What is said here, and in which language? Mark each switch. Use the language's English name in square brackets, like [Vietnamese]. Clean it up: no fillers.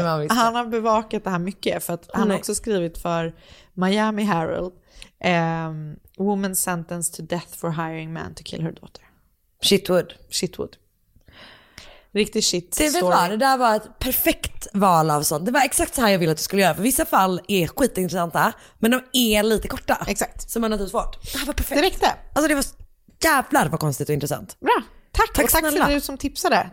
[Swedish] Han har bevakat det här mycket för att han har också skrivit för Miami Herald. [English] Woman sentenced to death for hiring man to kill her daughter. Shitwood. [Swedish] Riktigt shit. Det där var ett perfekt val av sånt. Det var exakt så här jag ville att du skulle göra. För vissa fall är skitintressanta, men de är lite korta. Exakt. Så man har typ svårt. Det här var perfekt. Det räckte. Alltså det var jävlar vad konstigt och intressant. Bra. Tack för du som tipsade.